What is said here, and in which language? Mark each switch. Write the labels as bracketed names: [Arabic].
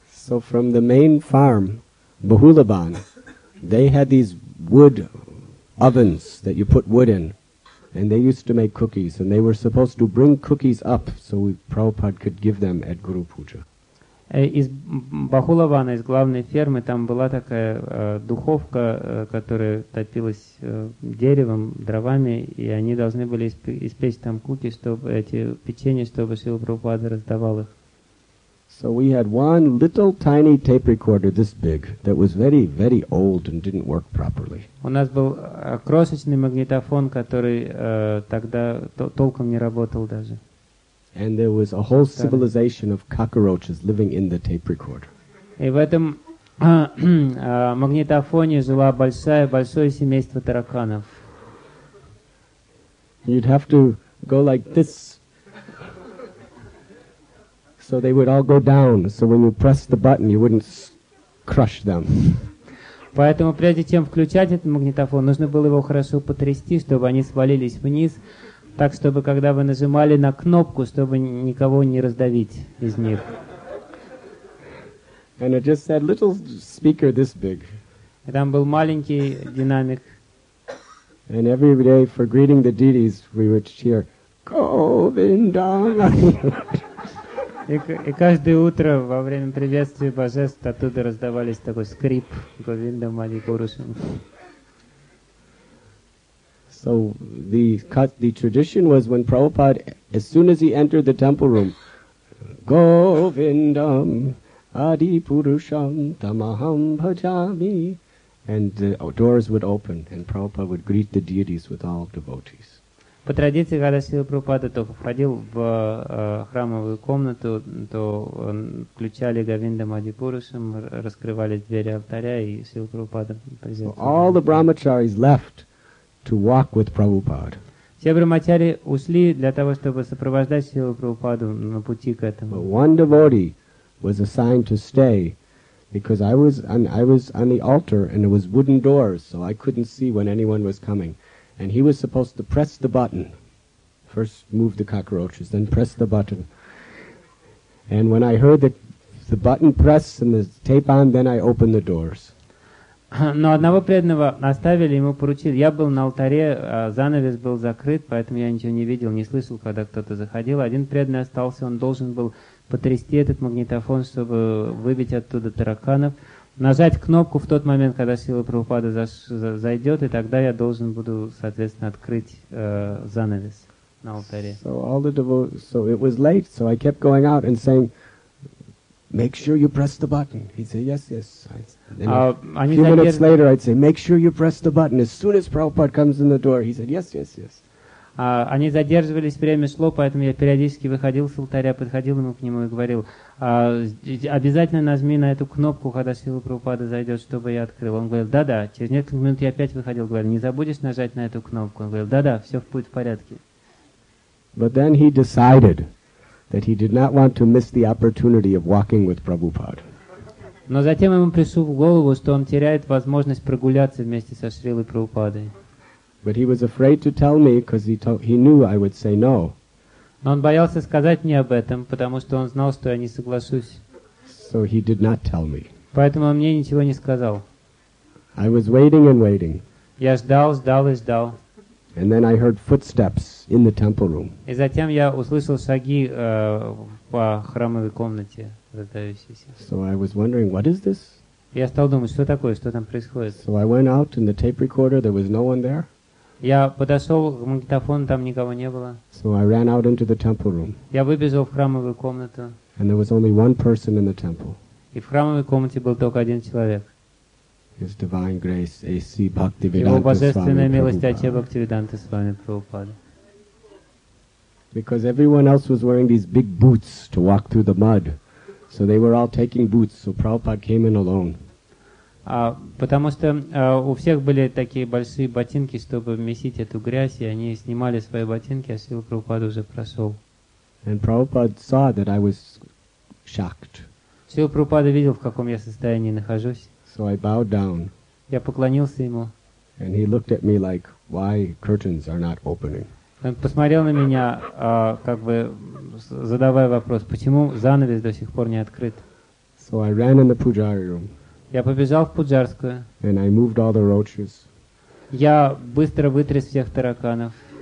[English] So from the main farm, Bahulaban, they had these wood ovens that you put wood in, and they used to make cookies, and they were supposed to bring cookies up so Prabhupada could give them at Guru Puja. [Russian] Из Бахулавана, из главной фермы, там была такая духовка, которая топилась деревом, дровами, и они должны были испечь там куки, чтобы эти печенья, чтобы Шрила Прабхупада раздавал их. [English] So we had one little tiny tape recorder this big that was very, very old and didn't work properly. [Russian] У нас был крошечный магнитофон, который тогда толком не работал даже. [English] And there was a whole civilization of cockroaches living in the tape recorder. [Russian] И в этом магнитофоне жила большое семейство тараканов. [English] You'd have to go like this. So they would all go down. So when you press the button, you wouldn't crush them. [Russian] Поэтому прежде чем включать этот магнитофон, нужно было его хорошо потрясти, чтобы они свалились вниз, так чтобы когда вы нажимали на кнопку, чтобы никого не раздавить из них. [English] And it just had little speaker this big. [Russian] И там был маленький динамик. [English] And every day for greeting the deities, we would cheer, Govinda. [Russian] И каждое утро во время приветствия божеств оттуда раздавались такой скрип Говинда Мали Гурушам. [English] So the tradition was when Prabhupada, as soon as he entered the temple room, [Sanskrit] Govindam Adi Purusham Tamaham Bhajami, [English] and the doors would open and Prabhupada would greet the deities with all devotees. [Russian] По традиции, когда Шрила Прабхупада только входил в храмовую комнату, то включали Говинда Мади Пурушам, раскрывались двери алтаря, и Шрила Прабхупада приветствовал. [English] All the brahmacharis left to walk with Prabhupada. [Russian] Все брахмачари ушли для того, чтобы сопровождать Шрилу Прабхупаду на пути к этому. [English] But one devotee was assigned to stay because I was on the altar and there was wooden doors, so I couldn't see when anyone was coming. And he was supposed to press the button. First move the cockroaches, then press the button. And when I heard the button press and the tape on, then I opened the doors. [Russian] Но одного преданного оставили, ему поручили. Я был на алтаре, занавес был закрыт, поэтому я ничего не видел, не слышал, когда кто-то заходил. Один преданный остался, он должен был потрясти этот магнитофон, чтобы выбить оттуда тараканов. Нажать кнопку в тот момент, когда Шрила Прабхупада зайдет, и тогда я должен буду, соответственно, открыть занавес на алтаре. [English] So all the so it was late, so I kept going out and saying, make sure you press the button. He'd say, yes, yes. Then a few minutes later, I'd say, make sure you press the button. As soon as Prabhupada comes in the door, he said, yes, yes, yes. [Russian] Они задерживались, время шло, поэтому я периодически выходил с алтаря, подходил ему к нему и говорил, обязательно нажми на эту кнопку, когда Шрила Прабхупада зайдет, чтобы я открыл. Он говорил, да-да, через несколько минут я опять выходил, говорил, не забудешь нажать на эту кнопку? Он говорил, да-да, все будет в порядке. [English] But then he decided that he did not want to miss the opportunity of walking with Prabhupada. [Russian] Но затем ему пришло в голову, что он теряет возможность прогуляться вместе со Шрилой Прабхупадой. [English] But he was afraid to tell me because he knew I would say no. [Russian] Но он боялся сказать мне об этом, потому что он знал, что я не соглашусь. [English] So he did not tell me. [Russian] Поэтому он мне ничего не сказал. [English] I was waiting and waiting. [Russian] Я ждал, ждал и ждал. [English] And then I heard footsteps in the temple room. [Russian] И затем я услышал шаги по храмовой комнате, раздающиеся. [English] So I was wondering, what is this? [Russian] Я стал думать, что такое, что там происходит. [English] So I went out in the tape recorder, there was no one there. [Russian] Я подошел к магнитофону, там никого не было. [English] So I ran out into the temple room. [Russian] Я выбежал в храмовую комнату. [English] And there was only one person in the temple. [Russian] И в храмовой комнате был только один человек. [English] His divine grace, A.C. [Russian] Бхактивиданта Свами Прабхупада. Его божественная милость, А.Ч. Бхактивиданта Свами Прабхупада. [English] Because everyone else was wearing these big boots to walk through the mud. So they were all taking boots, so Prabhupada came in alone. [Russian] Потому что у всех были такие большие ботинки, чтобы вместить эту грязь, и они снимали свои ботинки, а Шрила Прабхупада уже прошел. [English] And Prabhupada saw that I was shocked. [Russian] Шрила Прабхупада видел, в каком я состоянии нахожусь. [English] So I bowed down. [Russian] Я поклонился ему. [English] And he looked at me like, why curtains are not opening? [Russian] Он посмотрел на меня, как бы задавая вопрос, почему занавес до сих пор не открыт? [English] So I ran in the pujari room. [Russian] Я побежал в пуджарскую. [English] And I moved all the roaches. [Russian] Я быстро вытряс всех тараканов.